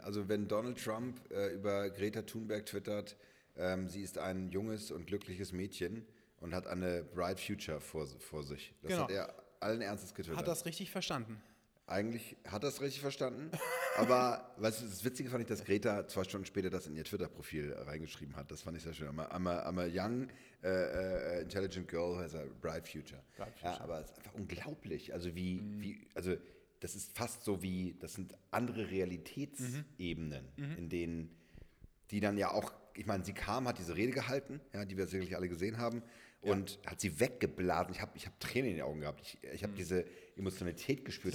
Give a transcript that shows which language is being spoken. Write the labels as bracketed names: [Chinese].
[German] Also wenn Donald Trump über Greta Thunberg twittert, sie ist ein junges und glückliches Mädchen und hat eine [English] bright future [German] vor sich. Das Hat er allen Ernstes getwittert. Hat das richtig verstanden? Eigentlich hat das richtig verstanden. Aber weißt du, das Witzige fand ich, dass Greta 2 Stunden später das in ihr Twitter-Profil reingeschrieben hat. Das fand ich sehr schön. [English] I'm a young, intelligent girl who has a bright future. [German] Ja, aber es ist einfach unglaublich. Also also das ist fast so wie, das sind andere Realitätsebenen, in denen die dann ja auch, ich meine, sie kam, hat diese Rede gehalten, ja, die wir sicherlich alle gesehen haben, und hat sie weggeblasen. Ich hab Tränen in den Augen gehabt. Ich habe diese Emotionalität gespürt.